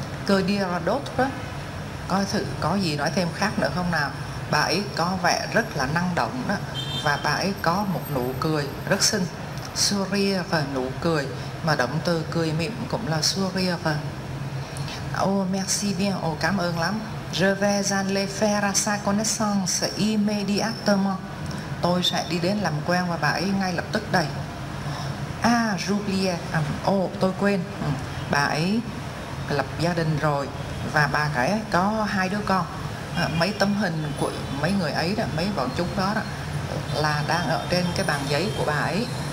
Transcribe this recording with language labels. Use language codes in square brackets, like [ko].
[fr] Que dire d'autre? [vi] Coi thử có gì nói thêm khác nữa không nào. Bà ấy có vẻ rất là năng động đó, và bà ấy có một nụ cười rất xinh. Sourire, và nụ cười, mà động từ cười mỉm cũng là sourire. Và oh, [fr] merci bien, [vi] oh, cảm ơn lắm. [fr] Je vais aller faire sa connaissance immédiatement. [vi] Tôi sẽ đi đến làm quen và bà ấy ngay lập tức đây. Ah, [fr] j'oublie, [vi] tôi quên. Bà ấy lập gia đình rồi, và bà ấy có hai đứa con. Mấy tấm hình của mấy người ấy đó, mấy bọn chúng đó là đang ở trên cái bàn giấy của bà ấy.